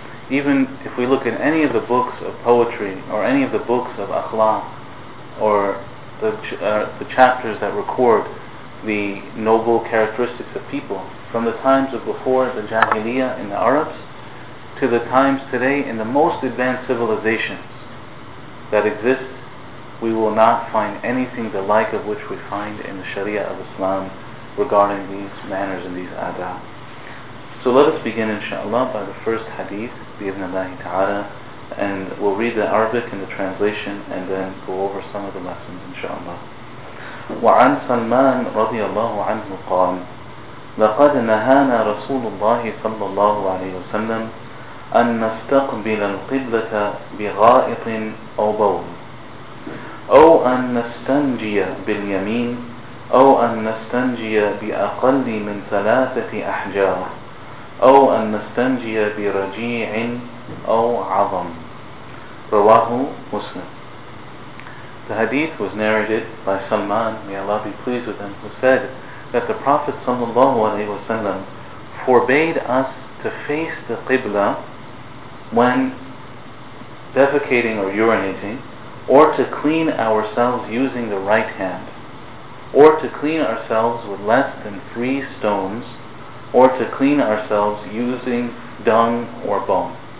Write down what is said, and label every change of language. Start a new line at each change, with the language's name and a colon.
English: even if we look in any of the books of poetry or any of the books of akhlaq or the chapters that record the noble characteristics of people, from the times of before the Jahiliyyah in the Arabs to the times today in the most advanced civilizations that exist, we will not find anything the like of which we find in the Sharia of Islam regarding these manners and these adab. So let us begin, inshaAllah, by the first hadith, bi'idhnillahi ta'ala, and we'll read the Arabic and the translation and then go over some of the lessons, inshaAllah.
Arabic: وعن سلمان رضي الله عنه قال لقد نهانا رسول الله صلى الله عليه وسلم أن نستقبل القبلة بغائط أو بول أو أن نستنجي باليمين أو أن نستنجي بأقل من ثلاثة أحجار أو أن نستنجي برجيع أو عظم رواه مسلم.
English: The hadith was narrated by Salman, may Allah be pleased with him, who said that the Prophet ﷺ forbade us to face the Qibla when defecating or urinating, or to clean ourselves using the right hand, or to clean ourselves with less than 3 stones, or to clean ourselves using dung or bone.